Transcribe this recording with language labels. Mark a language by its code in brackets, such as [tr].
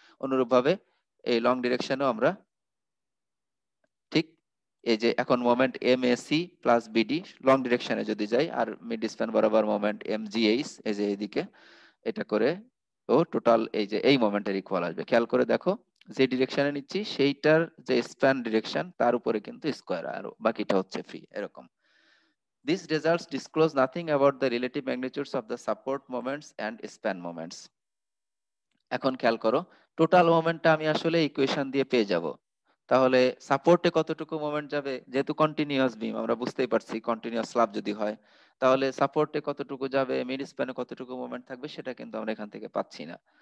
[bn] অনুরূপ ভাবে এই লং ডিরেকশনেও আমরা ঠিক এই যে এখন moment M A C plus BD long ডিরেকশনে যদি যাই, আর মিড স্প্যান বরাবর মোমেন্ট এম জি এইচ, এই যে এইদিকে এটা করে ও টোটাল এই যে এই মোমেন্টের ইকুয়াল আসবে। খেয়াল করে দেখো, যে ডিরেকশনে নিচ্ছি সেইটার যে স্প্যান ডিরেকশন তার উপরে কিন্তু স্কোয়ার, আর বাকিটা হচ্ছে ফ্রি এরকম। [en] These results disclose nothing about the relative magnitudes of the support moments and span moments. [bn] এখন খেয়াল করো, টোটাল মোমেন্টটা আমি আসলে ইকুয়েশন দিয়ে পেয়ে যাব, তাহলে সাপোর্টে কতটুকু মোমেন্ট যাবে, যেহেতু কন্টিনিউয়াস বিম আমরা বুঝতেই পারছি কন্টিনিউয়াস স্ল্যাব যদি হয় তাহলে সাপোর্টে কতটুকু যাবে, মিড স্প্যানে কতটুকু মোমেন্ট থাকবে সেটা কিন্তু আমরা এখান থেকে পাচ্ছি না।